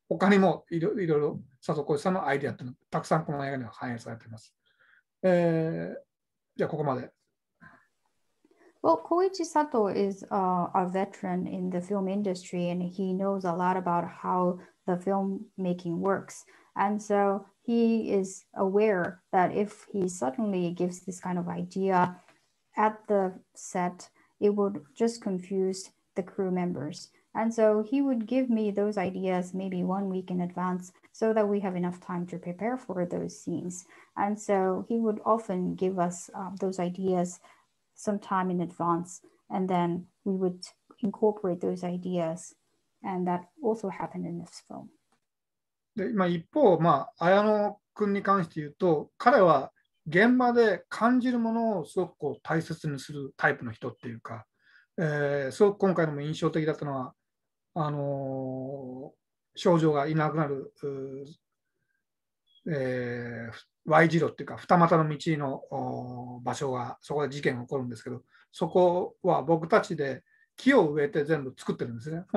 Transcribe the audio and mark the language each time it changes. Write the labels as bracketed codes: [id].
[ja] 他にもいろいろ佐藤浩市さんのアイデアってのたくさんこの映画には反映されています。じゃあここまで。 [en] Well, Koichi Sato is a veteran in the film industry, and he knows a lot about how the filmmaking works. And so he is aware that if he suddenly gives this kind of idea at the set, it would just confuse the crew members. And so he would give me those ideas maybe 1 week in advance so that we have enough time to prepare for those scenes. And so he would often give us those ideas some time in advance, and then we would incorporate those ideas, and that also happened in this film. [ja] で、一方、綾野くんに関して言うと、彼は現場で感じるものをすごくこう大切にするタイプの人っていうか、すごく今回のも印象的だったのは、少女がいなくなる、Y 字路っていうか二股の道の場所が、そこで事件が起こるんですけど、そこは僕たちで木を植えて全部作ってるんですね。